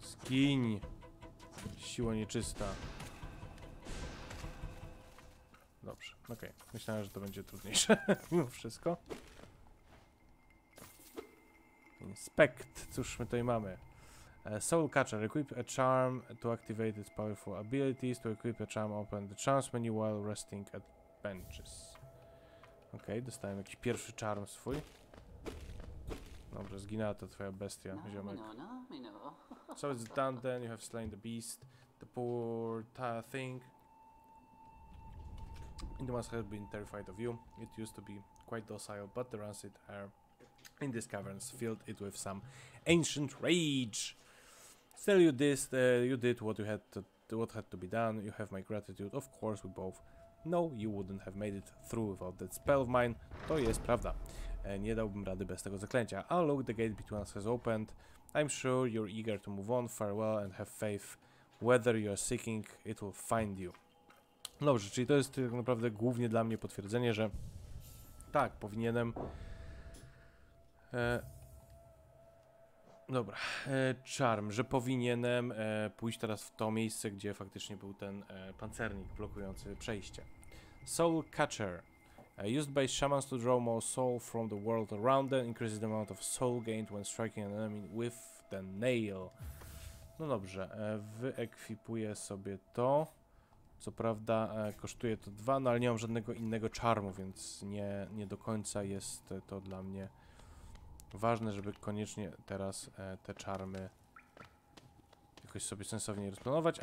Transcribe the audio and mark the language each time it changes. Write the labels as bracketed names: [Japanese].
[Polish] Giń, siła nieczysta. Dobrze, okej. Okay. Myślałem, że to będzie trudniejsze mimo wszystko. Inspekt, cóż my tutaj mamy? [English] Soul Catcher, equip a charm to activate its powerful abilities. To equip a charm, open the charm menu while resting at benches. [Polish] Okej, okay, dostałem jakiś pierwszy charm swój. Dobrze, zginęła ta twoja bestia, ziomek. [English] So it's done then, you have slain the beast, the poor thing. It must have been terrified of you. It used to be quite docile, but the rancid air in these caverns filled it with some ancient rage. Still, you did, what you had to, what had to be done. You have my gratitude. Of course, we both know you wouldn't have made it through without that spell of mine. [Polish] To jest prawda. Nie dałbym rady bez tego zaklęcia. [English] Ah, look, the gate between us has opened. I'm sure you're eager to move on. Farewell and have faith. Whether you're seeking, it will find you. [Polish] Dobrze, czyli to jest tak naprawdę głównie dla mnie potwierdzenie, że tak, powinienem. Dobra, charm, że powinienem pójść teraz w to miejsce, gdzie faktycznie był ten pancernik blokujący przejście. [English] Soul Catcher. Used by shamans to draw more soul from the world around them, increases the amount of soul gained when striking an enemy with the nail. [Polish] No dobrze, wyekwipuję sobie to. Co prawda kosztuje to 2, no ale nie mam żadnego innego charmu, więc nie do końca jest to dla mnie ważne, żeby koniecznie teraz te charmy jakoś sobie sensownie rozplanować.